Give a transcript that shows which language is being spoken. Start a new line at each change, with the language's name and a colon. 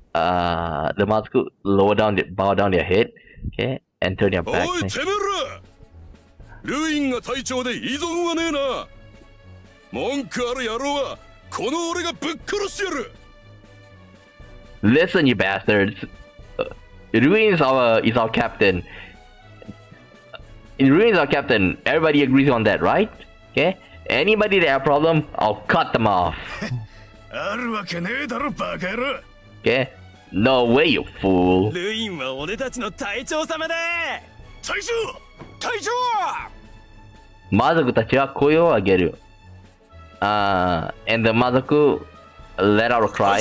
English: The 魔族 lower down, bow down their head, okay, and turn their back.
Japanese: おい、てめろ！ルインが隊長で依存はねえな。文句ある野郎は、この俺がぶっ殺してやる。
English: Listen, you bastards. Ruin is our captain. Ruin is our captain. Everybody agrees on that, right? Okay? Anybody that have a problem, I'll cut them off.
Japanese: あるわけねえだろ、バカ野郎。
English: Okay? No way, you fool.
Japanese: ルインは俺たちの隊長様だ。隊長！隊長！魔族たちは声を上げる。
English: And the 魔族 let out a cry.